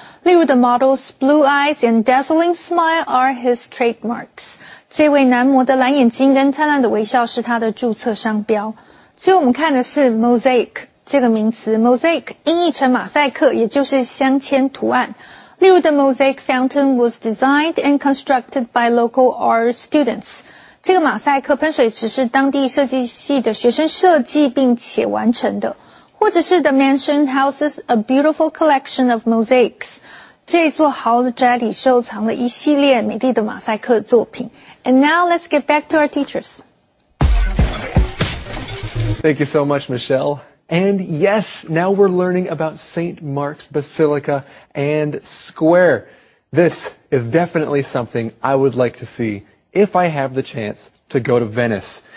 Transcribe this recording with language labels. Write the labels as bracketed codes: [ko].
[zh] 例如 [en] the model's blue eyes and dazzling smile are his trademarks. [zh] 这位男模的蓝眼睛跟灿烂的微笑是他的注册商标。最后我们看的是 mosaic 这个名词。mosaic 音译成马赛克，也就是镶嵌图案。 [en] 例如 the mosaic fountain was designed and constructed by local art students. [zh] 这个马赛克喷水池是当地设计系的学生设计并且完成的。或者是 [en] the mansion houses a beautiful collection of mosaics. [zh] 这座豪宅里收藏了一系列美丽的马赛克作品。 [en] And now let's get back to our teachers. Thank you so much, Michelle. And yes, now we're learning about St. Mark's Basilica and Square. This is definitely something I would like to see if I have the chance to go to Venice.